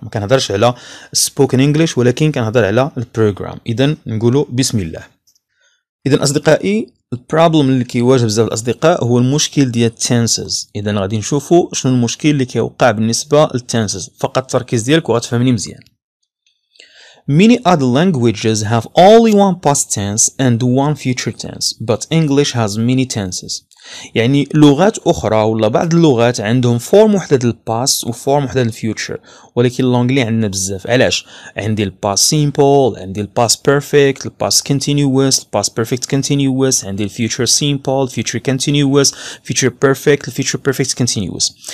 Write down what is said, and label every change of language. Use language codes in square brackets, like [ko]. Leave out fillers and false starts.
[ar] ما كنهضرش على سبوكن انجلش ولكن كنهضر على البروغرام. اذا نقولوا بسم الله. اذا اصدقائي البروبلم اللي كيواجه بزاف الاصدقاء هو المشكل ديال التنسز. اذا غادي نشوفوا شنو المشكل اللي كيوقع بالنسبه للتنسز. فقط التركيز ديالك وغتفهمني مزيان. [en] Many other languages have only one past tense and one future tense, but English has many tenses. [ar] يعني لغات اخرى ولا بعض اللغات عندهم فورم وحده ديال الباس وفورم وحده ديال الفيوتشر، ولكن الانجلي عندنا بزاف. علاش؟ عندي الباس سيمبل، عندي الباس بيرفكت، الباس كونتينيوس، الباس بيرفكت كونتينيوس، عندي الفيوتشر سيمبل، فيوتشر كونتينيوس، فيوتشر بيرفكت، الفيوتشر بيرفكت كونتينيوس.